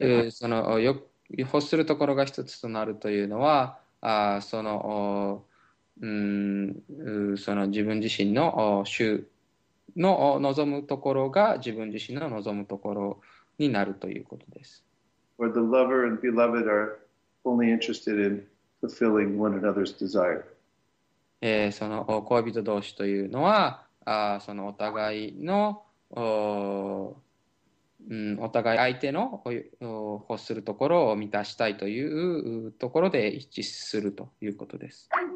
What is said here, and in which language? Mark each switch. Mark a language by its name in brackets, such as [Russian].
[Japanese] その欲するところが一つとなるというのは、その自分自身のの望むところが自分自身の望むところになるということです。 [English] Where the lover and beloved are only interested in fulfilling one another's desire. [Japanese] その恋人同士というのは、そのお互いの、お互い相手の欲するところを満たしたいというところで一致するということです。